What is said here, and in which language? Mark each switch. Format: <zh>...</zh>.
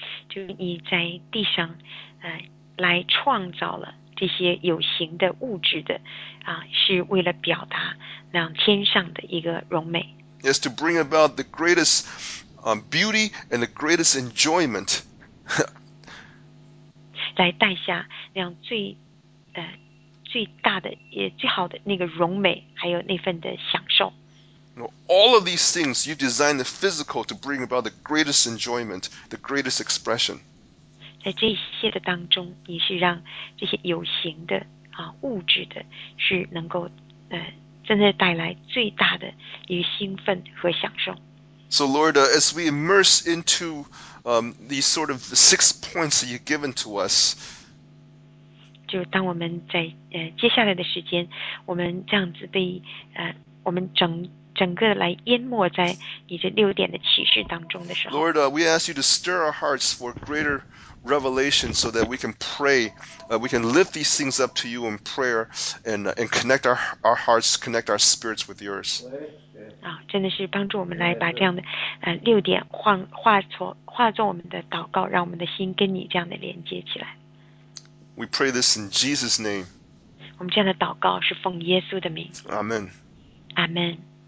<zh>就你在地上，来创造了这些有形的物质的，是为了表达那天上的一个荣美。</zh> <en>Yes, to bring about the greatest, beauty and the greatest enjoyment.</en> <zh>来带下那样最，最大的也最好的那个荣美，还有那份的享受。</zh> <en>All of these things, you designed the physical to bring about the greatest enjoyment, the greatest expression.</en> <zh>在这些的当中，你是让这些有形的物质的，是能够真的带来最大的一个兴奋和享受。</zh> <en>So Lord, as we immerse into these sort of the 6 points that you've given to us,</en> <zh>就当我们在接下来的时间，我们这样子被我们整个来淹没在你这六点的启示当中的时候</zh> <en>，Lord, we ask you to stir our hearts for greater revelation, so that we can pray, we can lift these things up to you in prayer, and connect our hearts, connect our spirits with yours.</en> <zh>真的是帮助我们来把这样的六点化作我们的祷告，让我们的心跟你这样的连接起来。</zh> <en>We pray this in Jesus' name.</en> <zh>我们这样的祷告是奉耶稣的名。</zh> <en>Amen. Amen.</en>